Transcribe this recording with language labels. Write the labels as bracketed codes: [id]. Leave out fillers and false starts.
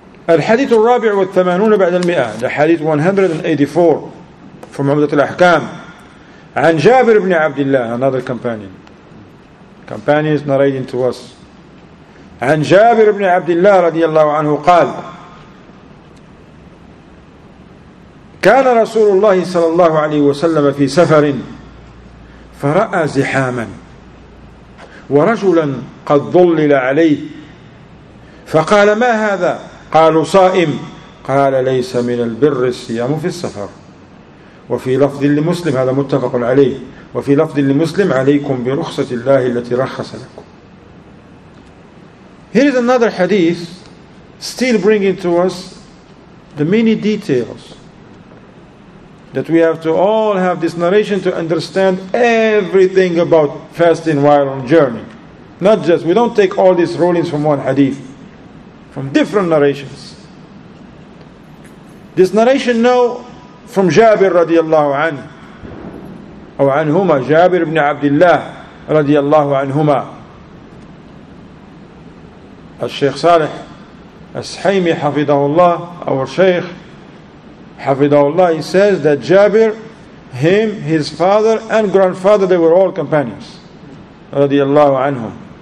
[ar] الحديث الرابع والثمانون بعد المئة. [en] The hadith 184 from [ar] عمدة الأحكام عن جابر بن عبد الله, [en] another companion. Companions narrating to us. [ar] عن جابر بن عبد الله رضي الله عنه قال كان رسول الله صلى الله عليه وسلم في سفر فرأى زحاما ورجلا قد ظلل عليه فقال ما هذا؟ قالوا صائم. قال ليس من البر الصيام في السفر. وفي لفظ لمسلم, هذا متفق عليه, وفي لفظ لمسلم, عليكم برخصة الله التي رخص لكم. [en] Here is another hadith still bringing to us the many details that we have to all have this narration to understand everything about fasting while on journey. Not just, we don't take all these rulings from one hadith, from different narrations. This narration now from Jabir radiallahu anhu. [ar] أو عنهما جابر بن عبد الله رضي الله عنهما. [en] الشيخ صالح السحيمي حفظه الله, our شيخ حفظه الله, he says that Jabir, him, his father and grandfather, they were all companions رضي الله عنهم.